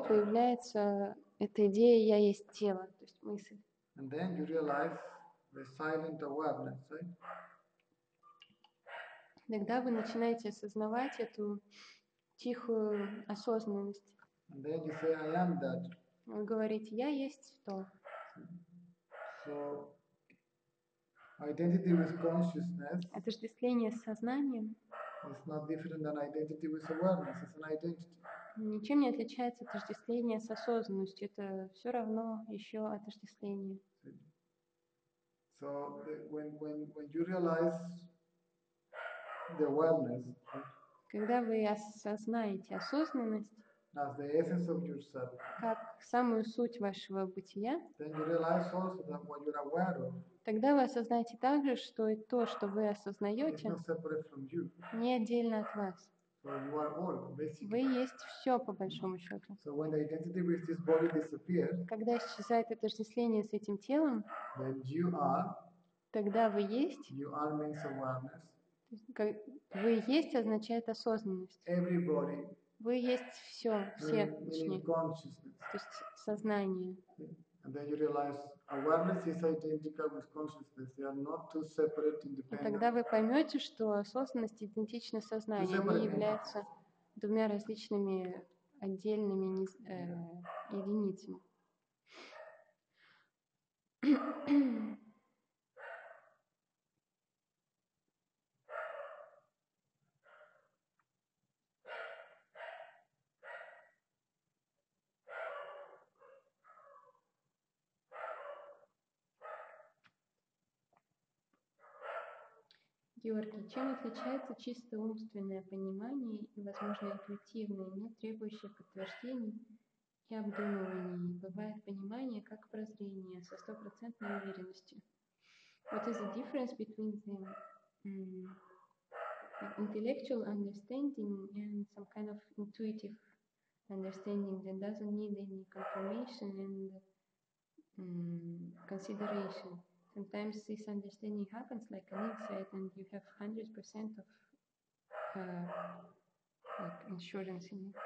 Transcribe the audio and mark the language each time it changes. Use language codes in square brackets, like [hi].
[ru] появляется эта идея я есть тело, то есть мысль. [en] And then you realize the silent awareness, right? [ru] Тогда вы начинаете осознавать эту тихую осознанность. [en] And then you say, I am that. [ru] Вы говорите, я есть то. [en] So, identity with consciousness. [ru] Отождествление с сознанием. [en] It's not different than identity with awareness. It's an identity. [ru] Ничем не отличается отождествление с осознанностью. Это все равно еще отождествление. [en] So when you realize the awareness, [ru] когда вы осознаете осознанность, [en] as the essence of yourself, [ru] как самую суть вашего бытия, [en] then you realize also that what you're aware of. [ru] Тогда вы осознаете также, что и то, что вы осознаете, не отдельно от вас. Вы есть все по большому счету. [en] So when the identity with this body disappears, [ru] когда исчезает отождествление с этим телом, [en] then you are, [ru] тогда вы есть. [en] You are means awareness. [ru] Вы есть означает осознанность. [en] Everybody. [ru] Вы есть все, все, точнее. [en] Consciousness. [ru] То есть сознание. [en] And then you realize awareness is identical with consciousness. They are not two separate independent. [ru] И тогда вы поймете, что осознанность идентична сознанию. Они являются двумя различными отдельными единицами. Георгий, чем отличается чисто умственное понимание и, возможно, интуитивное, не требующее подтверждений и обдумываний? Бывает понимание как прозрение со 100% уверенностью. [en] What is the difference between the intellectual understanding and some kind of intuitive understanding that doesn't need any confirmation and consideration? Sometimes this understanding happens like an insight, and you have 100% of like insurance in it.